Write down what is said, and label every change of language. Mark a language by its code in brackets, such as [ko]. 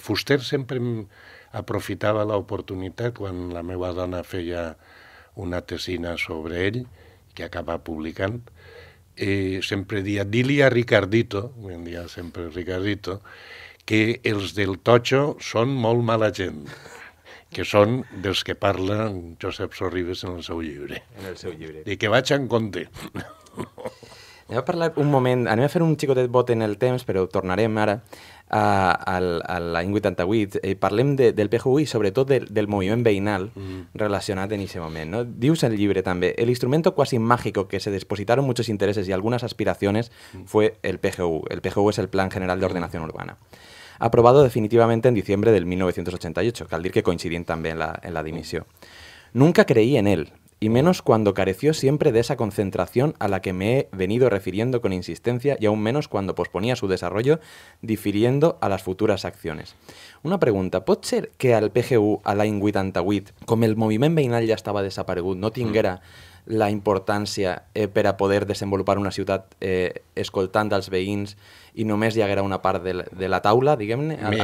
[ca] Fuster sempre aprofitava l'oportunitat quan la meva dona feia una tesina sobre ell, que acaba publicant, i sempre dia, di-li a Ricardito, un dia sempre Ricardito, que els del Totxo són molt mala gent, que són dels que parla Josep Sorribes en el seu llibre. En el seu llibre. I que vaig en compte. Anem a parlar un moment, anem a fer un xicotet bot en el temps, però tornarem ara a l'any 88. Parlem del PJU i sobretot del moviment veïnal relacionat en aquest moment. No? Dius el llibre també, [es] el instrumento quasi mágico que se depositaron muchos intereses y algunas aspiraciones fue el PJU. El PJU es el Plan General de Ordenación Urbana. Aprobado definitivamente en diciembre del 1988, [ca] cal dir que coincidien també en la dimissió. [es] Nunca creí en él. Y menos cuando careció siempre de esa concentración a la que me he venido refiriendo con insistencia y aún menos cuando posponía su desarrollo difiriendo a las futuras acciones. [ca] Una pregunta, ¿pot ser que al PGU, a l'any 88, com el moviment veïnal ja estava desaparegut, no tinguera la importància per a poder desenvolupar una ciutat escoltant als veïns i només hi haguera una part de la taula, diguem-ne?